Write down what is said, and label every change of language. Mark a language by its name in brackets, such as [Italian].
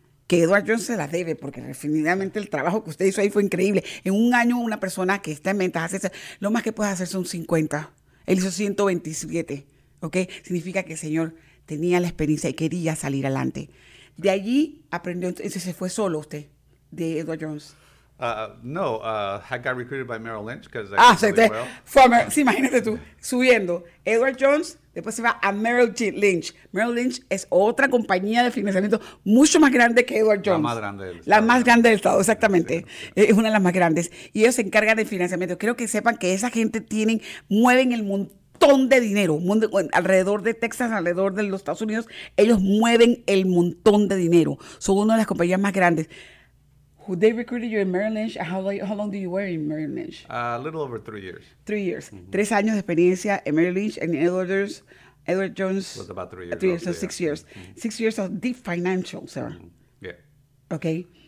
[Spanish] Que Edward Jones se las debe, porque definitivamente el trabajo que usted hizo ahí fue increíble. En un año una persona que está en ventas hace, lo más que puede hacer son 50. Él hizo 127, ¿ok? Significa que el señor tenía la experiencia y quería salir adelante. De allí aprendió, entonces se fue solo usted, de Edward Jones. [English] No, I got recruited by Merrill Lynch because I did really well. [Spanish] Sí, imagínate tú, subiendo. Edward Jones, después se va a Merrill Lynch. Merrill Lynch es otra compañía de financiamiento mucho más grande que Edward Jones. La más grande del estado. La más grande del estado, exactamente. Sí. Es una de las más grandes. Y ellos se encargan del financiamiento. Quiero que sepan que esa gente mueven el mundo. Montón de dinero, alrededor de Texas, alrededor de los Estados Unidos, ellos mueven el montón de dinero. Son una de las compañías más grandes. [English] Who they recruited you in Merrill Lynch? How long do you were in Merrill Lynch? A little over 3 years. 3 years. [Spanish] Mm-hmm. 3 años de experiencia en Merrill Lynch and Edward Jones. [English] It was about 3 years. 3 years, so 6 years. Mm-hmm. 6 years of deep financial, sir. Mm-hmm. Yeah. Okay.